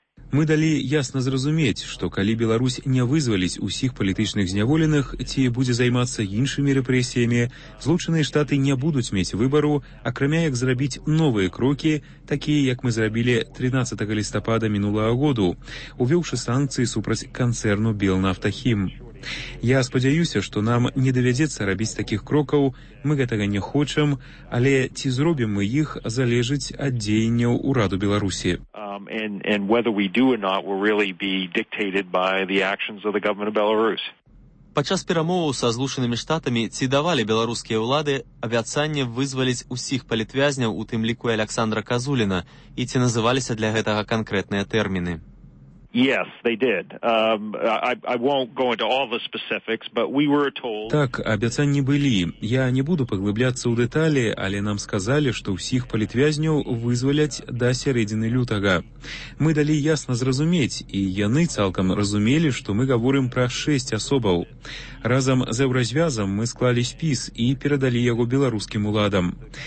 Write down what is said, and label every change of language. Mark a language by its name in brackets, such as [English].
[Belarusian] Мы далі ясна зразумець, што калі Беларусь не вызваліць усіх палітычных зняволеных, ці будзе займацца іншымі рэпрэсіямі, Злучаныя Штаты не будуць мець выбару, акрамя як зрабіць новыя крокі, такія, як мы зрабілі 13 лістапада мінулага году, увёўшы санкцыі супраць канцэрну «Белнафтахім». Я спадзяюся, што нам не давядзецца рабіць такіх крокаў, мы гэтага не хочам, але ці зробім мы іх, залежыць ад дзеянняў ураду Беларусі. [English] And whether we do or not will really be dictated by the actions of the government of Belarus. [Belarusian] Падчас перамоваў са злучанымі штатамі ці давалі беларускія ўлады абяцанне вызваліць усіх палітвязняў, у тым ліку Аляксандра Казуліна, і ці называліся для гэтага канкрэтныя тэрміны? [English] Yes, they did. I won't go into all the specifics, but we were told. [Belarusian] Так, абяцанні былі. Я не буду паглыбляцца ў дэталі, але нам сказалі, што ўсіх палітвязняў вызваляць да сярэдзіны лютага. Мы далі ясна зразумець, і яны цалкам разумелі, што мы гаворым пра 6 асобаў. Разам з Еўразвязам мы склалі спіс і перадалі яго беларускім уладам.